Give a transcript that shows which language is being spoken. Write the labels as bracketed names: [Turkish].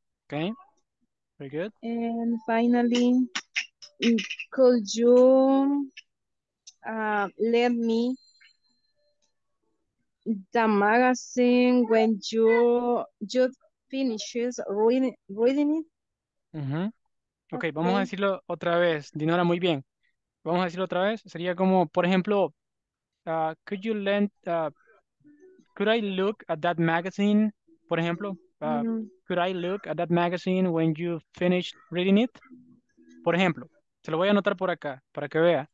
[English] Okay, very good. And finally, could you let me the magazine when you finishes reading it? [Spanish] Okay, vamos a decirlo otra vez, Dinora, muy bien. Vamos a decirlo otra vez. Sería como, por ejemplo, [English] could you lend, could I look at that magazine, [Spanish] por ejemplo? [English] Could I look at that magazine when you finished reading it? [Spanish] Por ejemplo, se lo voy a anotar por acá, para que vea.